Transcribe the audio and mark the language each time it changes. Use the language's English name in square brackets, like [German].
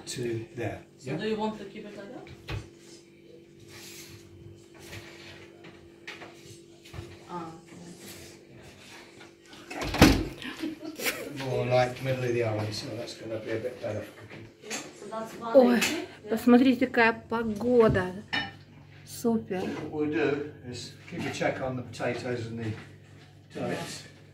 [English] To there. Yeah? So do you want to keep it like that? Okay. like middle of the oven, so that's going to be a bit better for cooking. [Russian] Ой, посмотрите, какая погода. Супер. [English] So what we'll do is keep a check on the potatoes and the turnips.